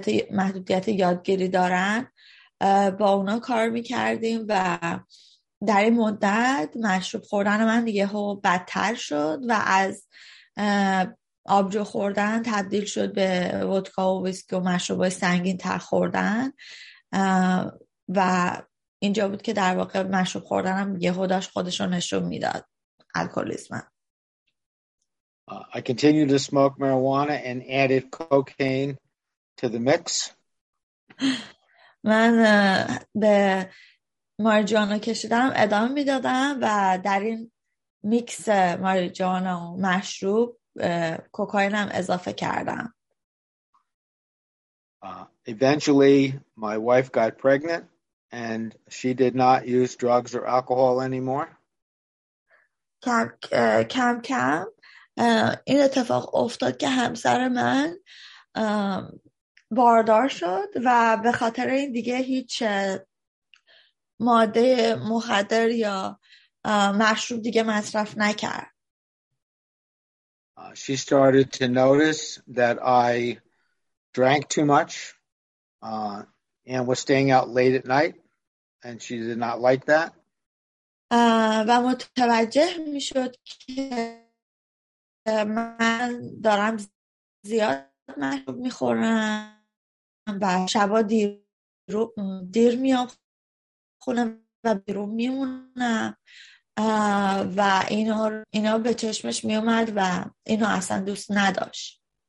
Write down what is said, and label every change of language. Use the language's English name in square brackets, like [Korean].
[Persian] محدودیت یادگیری دارن با اونا کار میکردیم و در این مدت مشروب خوردن من دیگه هو بدتر شد و از آبجو خوردن تبدیل شد به ودکا و ویسکی و مشروبای سنگین تر خوردن و اینجا بود که در واقع مشروب خوردنم یهو داشت خودش رو نشون میداد، الکلیسم. [English] I continued to smoke marijuana and added cocaine to the mix. [Persian] من به ماریجوانا کشیدم ادامه میدادم و در این میکس ماریجوانا و مشروب کوکائین هم اضافه کردم. [English] Eventually my wife got pregnant and she did not use drugs or alcohol anymore. [Persian] کم کم این اتفاق افتاد که همسر من باردار شد و به خاطر این دیگه هیچ ماده مخدر یا مشروب دیگه مصرف نکرد. [English] She started to notice that I drank too much and was staying out late at night. And she did not like that. [Persian] و متوجه میشد که من دارم زیاد مشروب میخورم و شبا دیر دیر میام خونه و بیرون میمونم و اینا به چشمش میومد و اینا اصلا دوست نداشت.